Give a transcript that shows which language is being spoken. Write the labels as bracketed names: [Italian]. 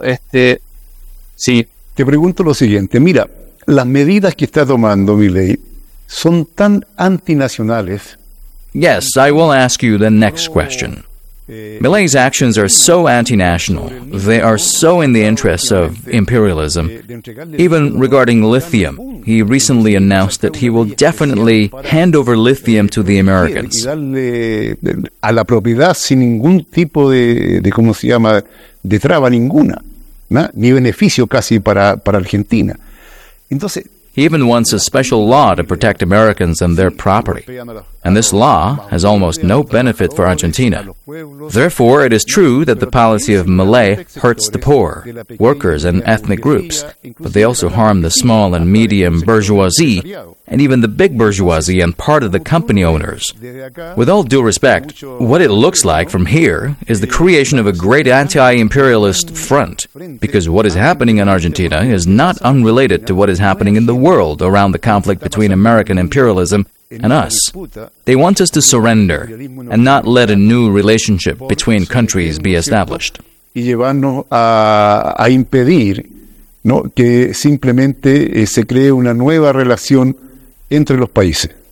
[Spanish] Te pregunto lo siguiente, mira, las medidas que está tomando Milei son tan antinacionales. [English] Yes, I will ask you the next question. Milei's actions are so anti-national, they are so in the interests of imperialism. Even regarding lithium, he recently announced that he will definitely hand over lithium to the Americans. [Spanish] A la propiedad sin ningún tipo de cómo se llama, de traba ninguna, ni beneficio casi para Argentina. [English] He even wants a special law to protect Americans and their property. And this law has almost no benefit for Argentina. Therefore, it is true that the policy of Milei hurts the poor, workers, and ethnic groups, but they also harm the small and medium bourgeoisie, and even the big bourgeoisie and part of the company owners. With all due respect, what it looks like from here is the creation of a great anti-imperialist front, because what is happening in Argentina is not unrelated to what is happening in the world around the conflict between American imperialism and us. They want us to surrender and not let a new relationship between countries be established. [Spanish] Y llevarnos a impedir, ¿no?, que simplemente se cree una nueva relación entre los países.